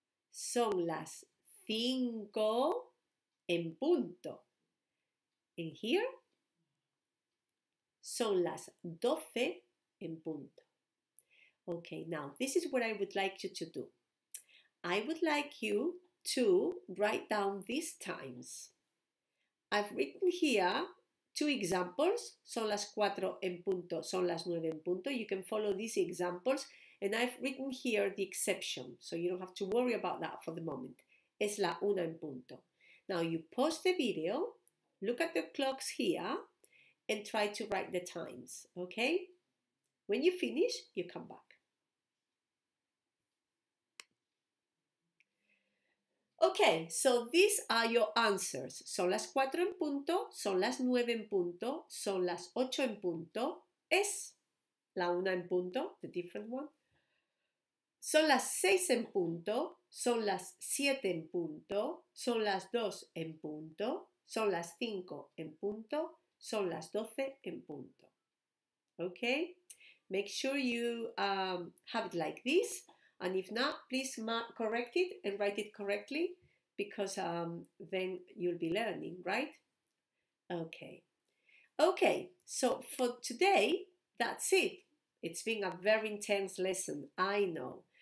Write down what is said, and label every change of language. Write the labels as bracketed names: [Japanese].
[Spanish] Son las cinco en punto. [English] And here? [Spanish] Son las doce en punto. [English] Okay, now this is what I would like you to do. I would like you to write down these times. I've written here two examples. [Spanish] Son las cuatro en punto, son las nueve en punto. [English] You can follow these examples. And I've written here the exception, so you don't have to worry about that for the moment. [Spanish] Es la una en punto. [English] Now you pause the video, look at the clocks here, and try to write the times, okay? When you finish, you come back. Okay, so these are your answers. [Spanish] Son las cuatro en punto, son las nueve en punto, son las ocho en punto, es la una en punto, [English] the different one. [Spanish] Son las seis en punto, son las siete en punto, son las dos en punto, son las cinco en punto, son las doce en punto. [English] Okay? Make sure you have it like this. And if not, please correct it and write it correctly, because then you'll be learning, right? Okay. Okay, so for today, that's it. It's been a very intense lesson, I know.